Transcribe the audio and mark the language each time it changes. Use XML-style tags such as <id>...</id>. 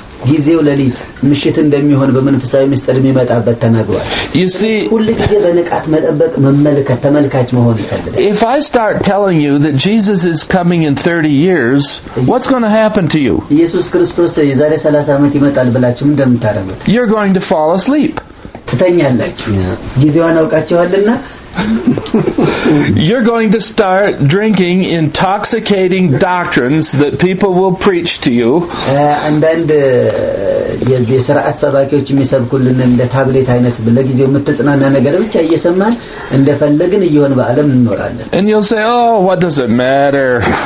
<am>ጊዜው ለሊት ምሽት እንደሚሆን በመንፈሳዊ ምስጢር የሚመጣበት ተናግሯል.</am> <en>You see,</en> <am>ሁሉ ጊዜ በንቃት መጠበቅ መመልከት ተመልካች መሆን ይፈልጋል.</am> <en>If I start telling you that Jesus is coming in 30 years, what's going to happen to you?</en> <am>ኢየሱስ ክርስቶስ የዛሬ 30 ዓመት ይመጣል ብላችሁ እንደምታረጉት.</am> <en>You're going to fall asleep.</en> <am>ትተኛላችሁ. ጊዜዋን አውቃችኋልና.</am> <en>You're going to start drinking intoxicating doctrines that people will preach to you. And you'll say, oh, what does it matter?</en>